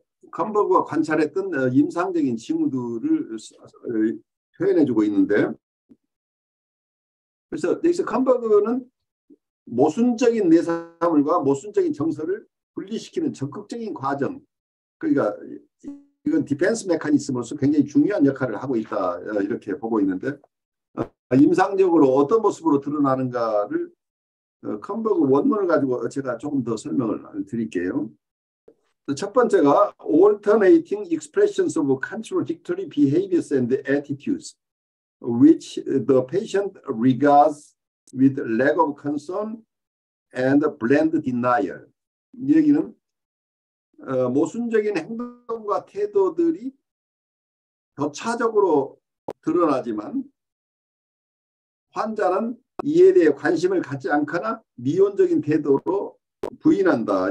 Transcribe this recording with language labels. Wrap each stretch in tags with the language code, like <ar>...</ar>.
<ko>컨버그가 관찰했던 임상적인 징후들을 표현해주고 있는데 그래서 여기서 컨버그는 모순적인 내사물과 모순적인 정서를 분리시키는 적극적인 과정 그러니까 이건 디펜스 메커니즘으로서 굉장히 중요한 역할을 하고 있다 이렇게 보고 있는데 임상적으로 어떤 모습으로 드러나는가를 컨버그 원문을 가지고 제가 조금 더 설명을 드릴게요.</ko> <en>첫 번째가 alternating expressions of contradictory behaviors and attitudes which the patient regards with lack of concern and bland denial.</en> <ko>이 얘기는 모순적인 행동과 태도들이 교차적으로 드러나지만 환자는 이에 대해 관심을 갖지 않거나 미온적인 태도로 부인한다.</ko>